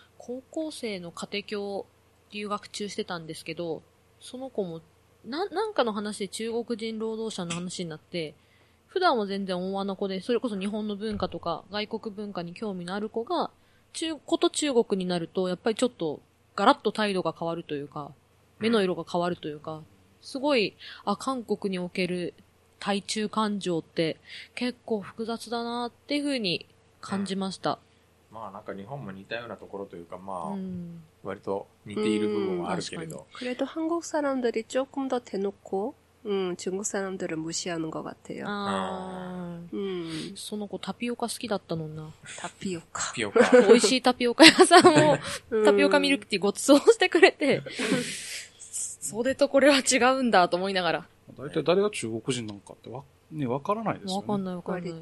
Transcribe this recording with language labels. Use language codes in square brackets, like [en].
[ja] 高校生の家庭教留学中してたんですけど、その子も なんかの話で中国人労働者の話になって、普段は全然大和の子で、それこそ日本の文化とか外国文化に興味のある子が、こと中国になると、やっぱりちょっとガラッと態度が変わるというか、目の色が変わるというか、すごい、あ、韓国における対中感情って結構複雑だなっていうふうに感じました。うん、まあなんか日本も似たようなところというか、まあ、割と似ている部分はあるけれど。 [ko] 그래도한국사람들이조금더대놓고、중국사람들을무시하는것같아요。 [ja] その子タピオカ好きだったのな。タピオカ。タピオカ。美味しいタピオカ屋さんをタピオカミルクティーご馳走してくれて、それとこれは違うんだと思いながら。大体誰が中国人なのかってね、わからないですよね。わかんないわかんない。